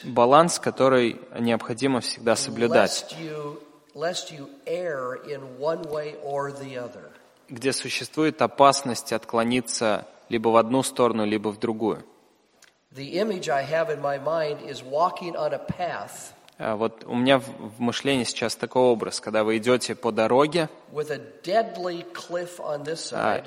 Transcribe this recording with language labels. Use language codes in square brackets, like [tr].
[ru] Баланс, который необходимо всегда соблюдать. [en] Lest you err in one way or the other. [ru] Где существует опасность отклониться либо в одну сторону, либо в другую. [en] The image I have in my mind is walking on a path. [ru] Вот у меня в мышлении сейчас такой образ, когда вы идете по дороге. [en] With a deadly cliff on this side.